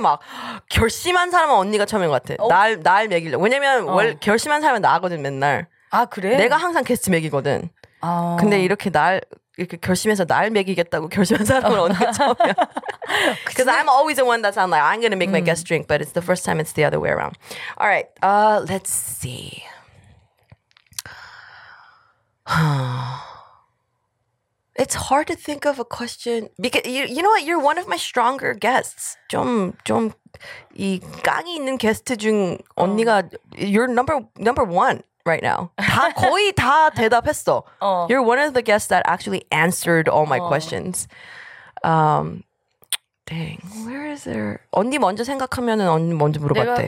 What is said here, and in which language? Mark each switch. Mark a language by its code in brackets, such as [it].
[ko] 막 결심한 사람은 언니가 처음인 것 같아. Oh. 날 먹이려. 왜냐면 월 결심한 사람은 나거든 맨날. 아 그래? 내가 항상 게스트 먹이거든. 근데 이렇게 날 이렇게 결심해서 날 먹이겠다고 결심한 사람은 언니가 처음이야. [en] Because I'm always the one that's I'm like, I'm going to make my guest drink, but it's the first time it's the other way around. All right, let's see. It's hard to think of a question. Because you know what? You're one of my stronger guests. [ko] 좀 이 깡이 있는 게스트 중 언니가, [en] you're number one right now. [ko] 다 거의 다 대답했어. [en] You're one of the guests that actually answered all my questions. Dang, where is there? [ko] 언니 먼저 생각하면은 언니 먼저 물어봤대.